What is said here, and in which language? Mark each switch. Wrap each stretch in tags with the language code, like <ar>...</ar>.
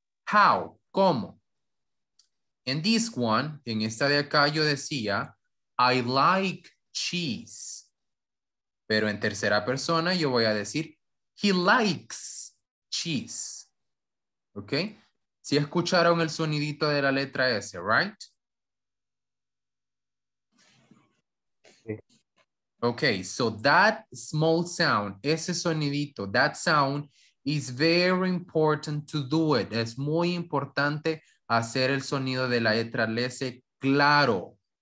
<en>How? ¿Cómo? In this one,</en> <es>en esta de acá yo decía,</es> <en>I like cheese.</en> <es>Pero en tercera persona yo voy a decir,</es> <en>he likes cheese.</en> <es>¿Ok? ¿Sí escucharon el sonidito de la letra S, right?</es> <en>Okay, so that small sound,</en> <es>ese sonidito,</es> <en>that sound is very important to do it.</en> <es>Es muy importante hacer el sonido de la letra S claro.</es>